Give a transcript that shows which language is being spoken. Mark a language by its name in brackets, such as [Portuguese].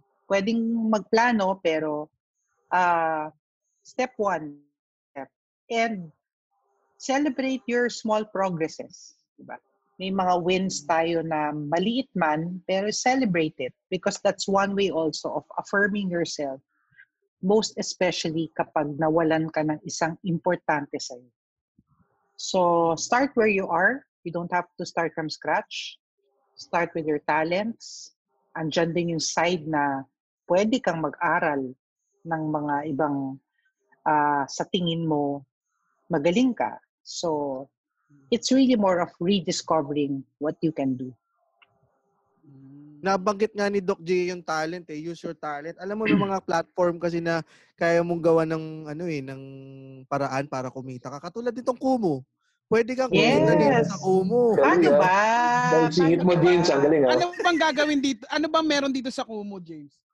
[Filipino] Pwedeng magplano, pero [English] step one. Step. And celebrate your small progresses. Diba? [Filipino] May mga wins tayo na maliit man, pero [English] celebrate it. Because that's one way also of affirming yourself. Most especially [Filipino] kapag nawalan ka ng isang importante sa'yo. [English] So, start where you are. You don't have to start from scratch. Start with your talents. [Filipino] Andyan din yung side na pwede kang mag-aral ng mga ibang sa tingin mo magaling ka. [English] So, it's really more of rediscovering what you can do. [Filipino] Nabanggit nga ni Doc G yung talent eh. [English] Use your talent. [Filipino] Alam mo yung mga platform kasi na kaya mong gawa ng ano eh, ng paraan para kumita ka. Katulad nitong Kumu. Pwede kang kumita dito sa Kumu. Ano ba? Dalsingit mo din sa galing ha? Ano bang gagawin dito? Ano bang meron dito sa Kumu, James?